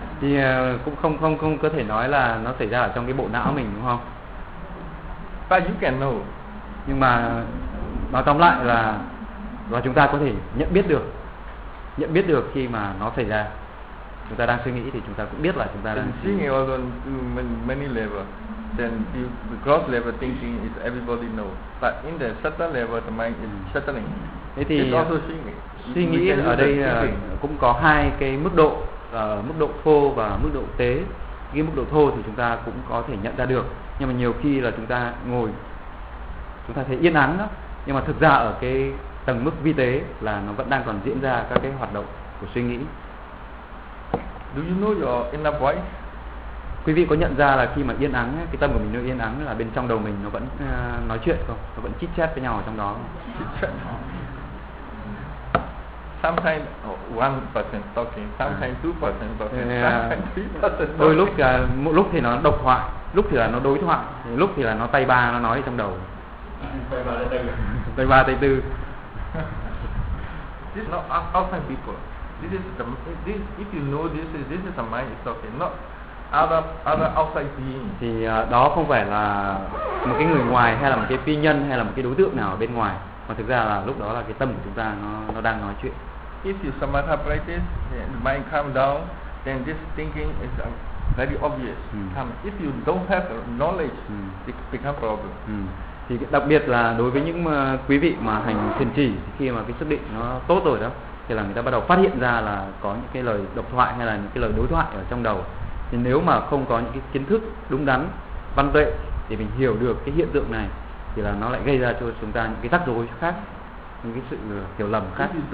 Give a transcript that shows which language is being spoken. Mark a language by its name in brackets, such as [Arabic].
[Vietnamese] Thì cũng không có thể nói là nó xảy ra ở trong cái bộ não mình đúng không? [English] But you can know. [Vietnamese] Nhưng mà nói tóm lại là chúng ta có thể nhận biết được. Nhận biết được khi mà nó xảy ra. Chúng ta đang suy nghĩ thì chúng ta cũng biết là chúng ta đang suy nghĩ [English] also on many level. Then the cross level thinking is everybody know, but in the subtle level the mind is shuttling. [Vietnamese] Thế thì [English] it's also [Vietnamese] suy nghĩ. Suy nghĩ ở đây cũng có hai cái mức độ, mức độ thô và mức độ tế. Cái mức độ thô thì chúng ta cũng có thể nhận ra được, nhưng mà nhiều khi là chúng ta ngồi, chúng ta thấy yên ắng đó, nhưng mà thực ra ở cái tầng mức vi tế là nó vẫn đang còn diễn ra các cái hoạt động của suy nghĩ. [English] Do you know your inner voice? [Vietnamese] Quý vị có nhận ra là khi mà yên ắng, cái tâm của mình nó yên ắng là bên trong đầu mình nó vẫn nói chuyện không? Nó vẫn chit chat với nhau ở trong đó. [English] Sometimes 1% talking, sometimes 2% talking, sometimes 3% talking. [Vietnamese] Đôi lúc thì nó độc thoại, lúc thì là nó đối thoại, lúc thì là nó tay ba nó nói ở trong đầu. Tay ba tay tư. Tay ba tay tư. [English] This is not outside people. This is the, this, if you know this is the mind is talking, not other outside being. [Vietnamese] Thì đó không phải là một cái người ngoài hay là một cái phi nhân hay là một cái đối tượng nào ở bên ngoài, mà thực ra là lúc đó là cái tâm của chúng ta nó đang nói chuyện. [English] If you samatha practice, the mind calm down, then this thinking is very obvious. If you don't have knowledge, it become problem. [Vietnamese] Thì đặc biệt là đối với những quý vị mà hành thiền chỉ, khi mà cái xác định nó tốt rồi đó, thì là người ta bắt đầu phát hiện ra là có những cái lời độc thoại hay là những cái lời đối thoại ở trong đầu. Thì nếu mà không có những cái kiến thức đúng đắn, văn tuệ thì mình hiểu được cái hiện tượng này, thì là nó lại gây ra cho chúng ta những cái rắc rối khác, những cái sự hiểu lầm khác.